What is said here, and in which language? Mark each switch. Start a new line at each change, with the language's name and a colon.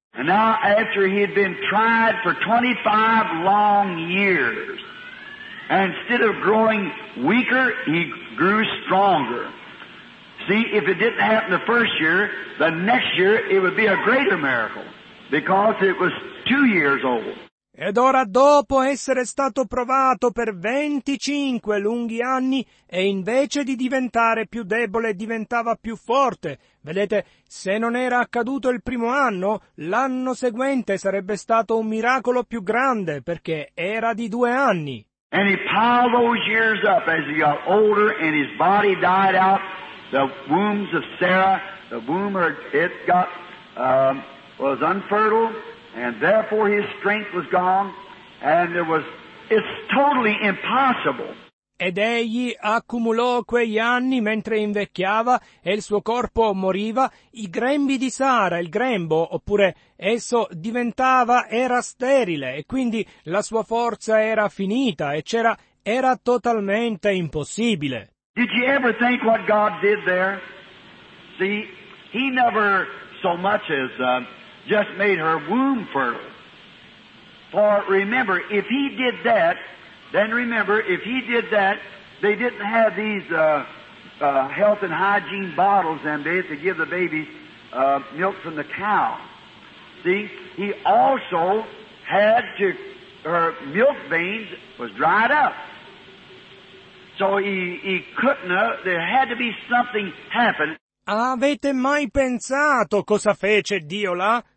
English: And now, after he had been tried for 25 long years, and instead of growing weaker, he grew stronger. See, if it didn't happen the first year, the next year it would be a greater miracle, because it was 2 years old.
Italian: Ed ora, dopo essere stato provato per 25 lunghi anni, e invece di diventare più debole, diventava più forte. Vedete, se non era accaduto il primo anno, l'anno seguente sarebbe stato un miracolo più grande, perché era di 2 anni.
English: And he piled those years up as he got older and his body died out. The wombs of Sarah, the womb, it got, was unfertile, and therefore his strength was gone, and there was, it's totally impossible.
Italian: Ed egli accumulò quegli anni mentre invecchiava e il suo corpo moriva. I grembi di Sara, il grembo, oppure esso diventava, era sterile e quindi la sua forza era finita e era totalmente impossibile.
English: Did you ever think what God did there? See, he never so much as just made her womb fertile. For remember, if he did that, then remember, if he did that, they didn't have these health and hygiene bottles and they had to give the babies milk from the cow. See, he also had to, her milk veins was dried up. So he couldn't, there had to be something happened.
Italian: Avete mai pensato cosa fece Dio là?